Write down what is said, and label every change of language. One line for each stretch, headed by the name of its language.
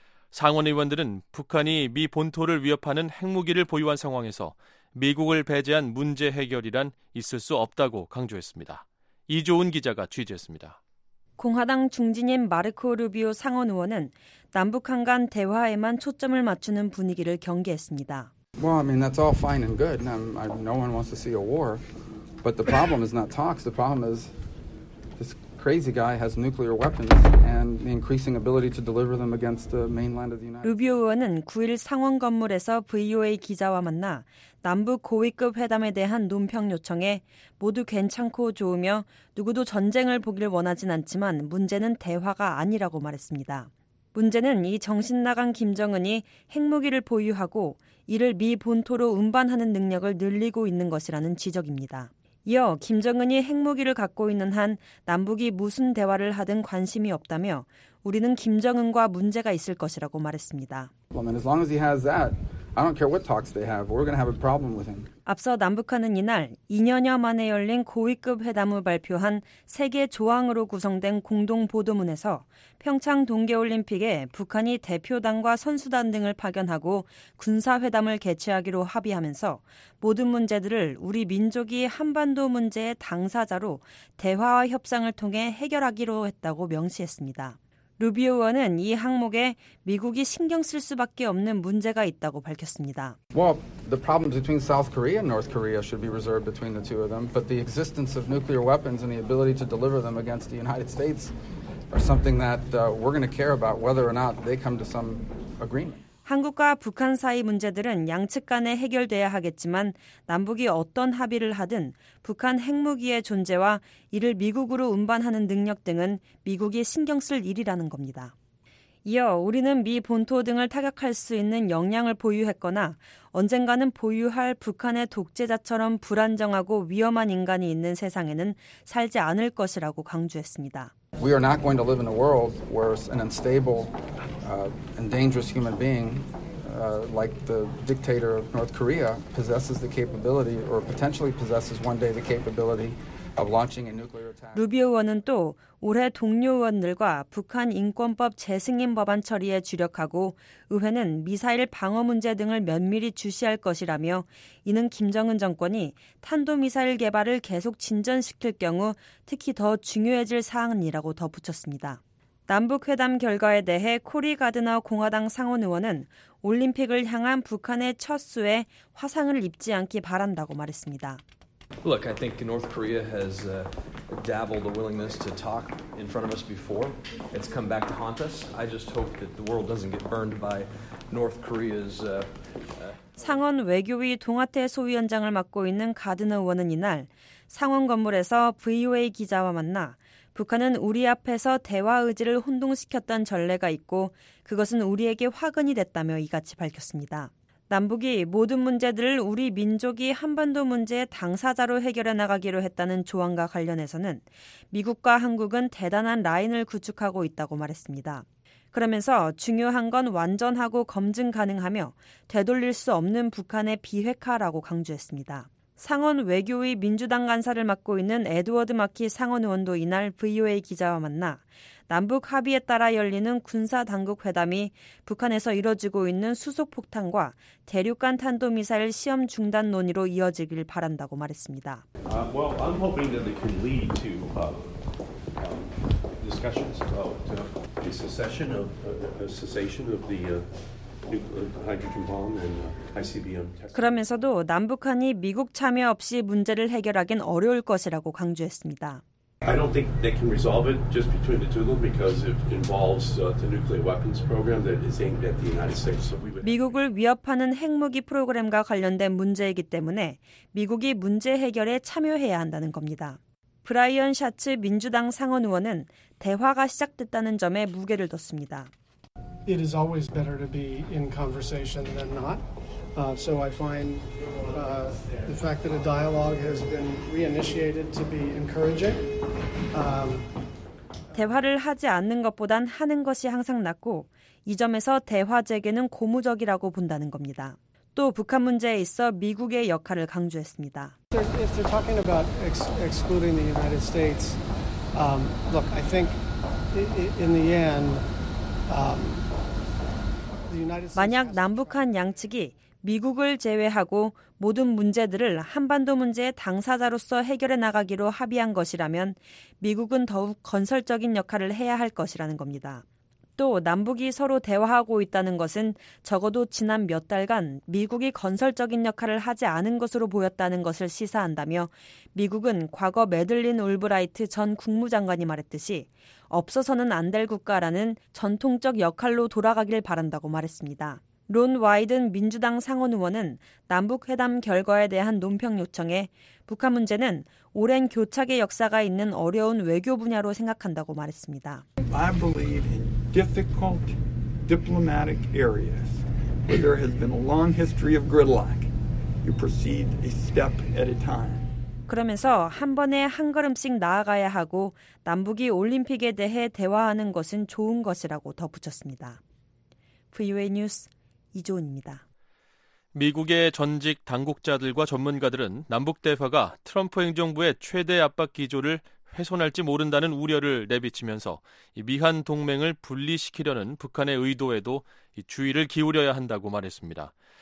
Korean: 상원 의원들은 북한이 미 본토를 위협하는 핵무기를 보유한 상황에서 미국을 배제한 문제 해결이란 있을 수 없다고 강조했습니다. 이조은 기자가 취재했습니다. 공화당 중진인 마르코 루비오 상원 의원은 남북한 간 대화에만 초점을 맞추는 분위기를 경계했습니다.
English: Well, I mean, that's all fine and good. No one wants to see a war. But the problem is not talks. The problem is this crazy guy has nuclear weapons and the increasing ability to deliver them against the mainland of the United States.
Korean: 루비오 의원은 9일 상원 건물에서 VOA 기자와 만나 남북 고위급 회담에 대한 논평 요청에 모두 괜찮고 좋으며 누구도 전쟁을 보길 원하진 않지만 문제는 대화가 아니라고 말했습니다. 문제는 이 정신 나간 김정은이 핵무기를 보유하고 이를 미 본토로 운반하는 능력을 늘리고 있는 것이라는 지적입니다. 이어 김정은이 핵무기를 갖고 있는 한 남북이 무슨 대화를 하든 관심이 없다며 우리는 김정은과 문제가 있을 것이라고 말했습니다.
English: Well, I mean, as long as he has that, I don't care what talks they have. We're going to have a problem with him.
Korean: 앞서 남북한은 이날 2년여 만에 열린 고위급 회담을 발표한 3개 조항으로 구성된 공동 보도문에서 평창 동계올림픽에 북한이 대표단과 선수단 등을 파견하고 군사회담을 개최하기로 합의하면서 모든 문제들을 우리 민족이 한반도 문제의 당사자로 대화와 협상을 통해 해결하기로 했다고 명시했습니다. 루비오 의원은 이 항목에 미국이 신경 쓸 수밖에 없는 문제가 있다고 밝혔습니다.
English: Well, the problems between South Korea and North Korea should be reserved between the two of them, but the existence of nuclear weapons and the ability to deliver them against the United States are something that we're going to care about whether or not they come to some agreement.
Korean: 한국과 북한 사이 문제들은 양측 간에 해결돼야 하겠지만 남북이 어떤 합의를 하든 북한 핵무기의 존재와 이를 미국으로 운반하는 능력 등은 미국이 신경 쓸 일이라는 겁니다. 이어 우리는 미 본토 등을 타격할 수 있는 역량을 보유했거나 언젠가는 보유할 북한의 독재자처럼 불안정하고 위험한 인간이 있는 세상에는 살지 않을 것이라고 강조했습니다.
English: We are not going to live in a world where an unstable and dangerous human being like the dictator of North Korea possesses the capability or potentially possesses one day the capability of launching a nuclear attack.
Korean: 루비오 의원은 또 올해 동료 의원들과 북한 인권법 재승인 법안 처리에 주력하고 의회는 미사일 방어 문제 등을 면밀히 주시할 것이라며 이는 김정은 정권이 탄도미사일 개발을 계속 진전시킬 경우 특히 더 중요해질 사항이라고 덧붙였습니다. 남북회담 결과에 대해 코리 가드너 공화당 상원 의원은 올림픽을 향한 북한의 첫 수에 화상을 입지 않기 바란다고 말했습니다.
English: Look, I think North Korea has dabbled a willingness to talk in front of us before. It's come back to haunt us. I just hope that the world doesn't get burned by North Korea's
Korean: 상원 외교위 동아태 소위원장을 맡고 있는 가드너 의원은 이날 상원 건물에서 VOA 기자와 만나 북한은 우리 앞에서 대화 의지를 혼동시켰던 전례가 있고 그것은 우리에게 화근이 됐다며 이같이 밝혔습니다. 남북이 모든 문제들을 우리 민족이 한반도 문제의 당사자로 해결해 나가기로 했다는 조항과 관련해서는 미국과 한국은 대단한 라인을 구축하고 있다고 말했습니다. 그러면서 중요한 건 완전하고 검증 가능하며 되돌릴 수 없는 북한의 비핵화라고 강조했습니다. 상원 외교위 민주당 간사를 맡고 있는 에드워드 마키 상원 의원도 이날 VOA 기자와 만나 남북 합의에 따라 열리는 군사당국 회담이 북한에서 이뤄지고 있는 수소폭탄과 대륙간 탄도미사일 시험 중단 논의로 이어지길 바란다고 말했습니다.
English: Well, I'm hoping that it can lead to discussions about the cessation of the hydrogen bomb and ICBM.
Korean: 그러면서도 남북한이 미국 참여 없이 문제를 해결하긴 어려울 것이라고 강조했습니다.
English: I don't think they can resolve it just between the two of them because it involves the nuclear weapons program that is aimed at the United States. So we would
Korean: 미국을 위협하는 핵무기 프로그램과 관련된 문제이기 때문에 미국이 문제 해결에 참여해야 한다는 겁니다. 브라이언 샤츠 민주당 상원 의원은 대화가 시작됐다는 점에 무게를 뒀습니다.
English: It is always better to be in conversation than not. So I find the fact that a dialogue has been reinitiated to be encouraging.
Korean: 대화를 하지 않는 것보단 하는 것이 항상 낫고 이 점에서 대화 재개는 고무적이라고 본다는 겁니다. 또 북한 문제에 있어 미국의 역할을 강조했습니다.
English: If they're talking about excluding the United States, look, I think in the end.
Korean: 만약 남북한 양측이 미국을 제외하고 모든 문제들을 한반도 문제의 당사자로서 해결해 나가기로 합의한 것이라면 미국은 더욱 건설적인 역할을 해야 할 것이라는 겁니다. 또 남북이 서로 대화하고 있다는 것은 적어도 지난 몇 달간 미국이 건설적인 역할을 하지 않은 것으로 보였다는 것을 시사한다며 미국은 과거 매들린 울브라이트 전 국무장관이 말했듯이 없어서는 안 될 국가라는 전통적 역할로 돌아가길 바란다고 말했습니다. 론 와이든 민주당 상원 의원은 남북회담 결과에 대한 논평 요청에 북한 문제는 오랜 교착의 역사가 있는 어려운 외교 분야로 생각한다고 말했습니다.
English: I believe in difficult diplomatic areas where there has been a long history of gridlock. You proceed a step at a time.
Korean: 그러면서 한 번에 한 걸음씩 나아가야 하고 남북이 올림픽에 대해 대화하는 것은 좋은 것이라고 덧붙였습니다. VOA 뉴스 이조은입니다. 미국의 전직 당국자들과 전문가들은 남북 대화가 트럼프 행정부의 최대 압박 기조를 훼손할지 모른다는 우려를 내비치면서 미한 동맹을 분리시키려는 북한의 의도에도 주의를 기울여야 한다고 말했습니다.